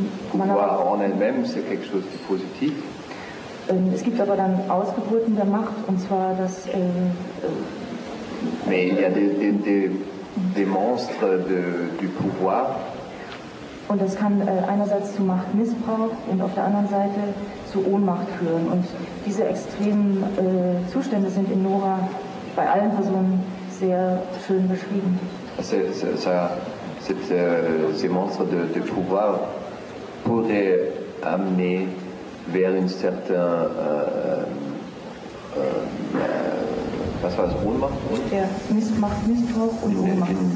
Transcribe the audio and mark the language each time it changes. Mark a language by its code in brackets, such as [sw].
[fr] Pouvoir en elle-même, c'est quelque chose de positif. [de] Es gibt aber dann Ausgeburten der Macht, und zwar das... [fr] Mais il y a des monstres du pouvoir. [de] Und das kann einerseits zu Machtmissbrauch und auf der anderen Seite zu Ohnmacht führen. Und diese extremen Zustände sind in Nora bei allen Personen sehr schön beschrieben. [fr] Ces monstres de pouvoir pourraient amener vers une certaine... [de] was war es? Ohnmacht? Ja, Machtmissbrauch und Ohnmacht.